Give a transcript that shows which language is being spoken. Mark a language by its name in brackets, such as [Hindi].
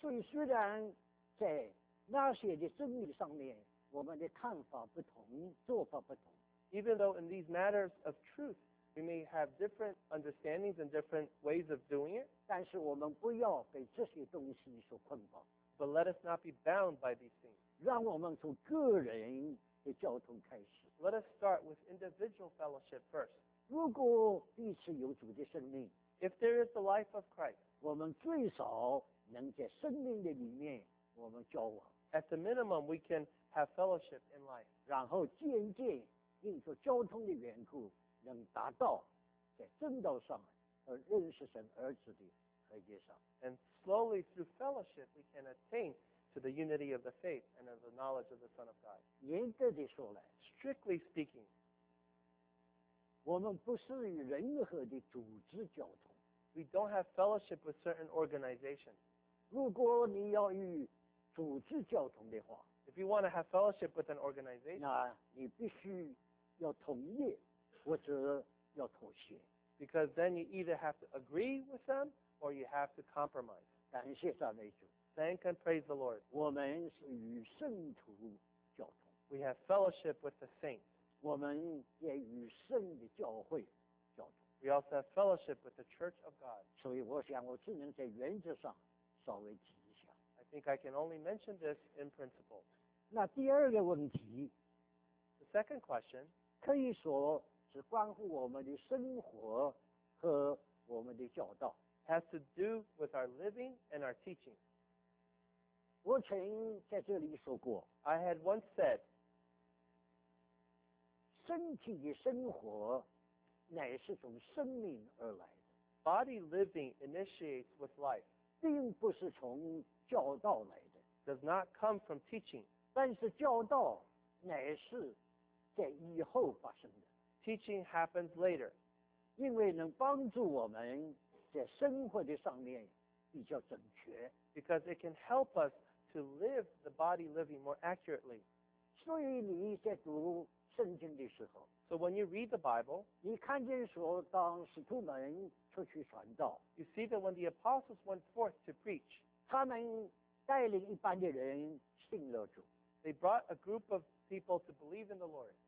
[Chinese] 所以虽然在那些的真理上面，我们的看法不同，做法不同。 [English] Even though in these matters of truth, we may have different understandings and different ways of doing it. [Chinese] 但是我们不要被这些东西所捆绑。 [English] But let us not be bound by these things. [Chinese] 让我们从个人的交通开始。 [English] Let us start with individual fellowship first. [Chinese] 如果彼此有主的生命, [English] if there is the life of Christ, [Chinese] 我们最少能在生命的里面我们交往。 [English] At the minimum, we can have fellowship in life. [Chinese] 然后渐渐因着交通的缘故能达到在正道上和认识神儿子的合一上。 [English] And slowly through fellowship, we can attain to the unity of the faith and of the knowledge of the Son of God. [Chinese] 严格地说来, [English] strictly speaking, [Chinese] 我们不是与任何的组织交通。 [English] We don't have fellowship with certain organizations. [Chinese] 如果你要与组织交通的话, [English] if you want to have fellowship with an organization, [Chinese] 那你必须要同意或者要妥协。 [English] Because then you either have to agree with them or you have to compromise. [Chinese] 感谢赞美主。 [English] Thank and praise the Lord. [Chinese] 我们是与圣徒交通。 [English] We have fellowship with the saints. [Chinese] 我们也与圣的教会交通。 [English] We also have fellowship with the church of God. [Chinese] 所以我想我只能在原则上稍微提一下。 [English] I think I can only mention this in principle. [Chinese] 那第二个问题。 [English] The second question. [Chinese] 可以说是关乎我们的生活和我们的教导。 [English] Has to do with our living and our teaching. [Chinese] 我曾在这里说过 [English] I had once said [Chinese] 身体的生活乃是从生命而来的 [English] Body living initiates with life [Chinese] 并不是从教导来的 [English] Does not come from teaching [Chinese] 但是教导乃是在以后发生的 [English] Teaching happens later [Chinese] 因为能帮助我们在生活的上面比较准确 [English] Because it can help usTo live the body living more accurately. [Chinese] 所以你在读圣经的时候, [English] so when you read the Bible, [Chinese] 你看见说当使徒们出去传道, [English] you see that when the apostles went forth to preach, [Chinese] 他们带领一般的人信了主, [English] they brought a group of people to believe in the Lord,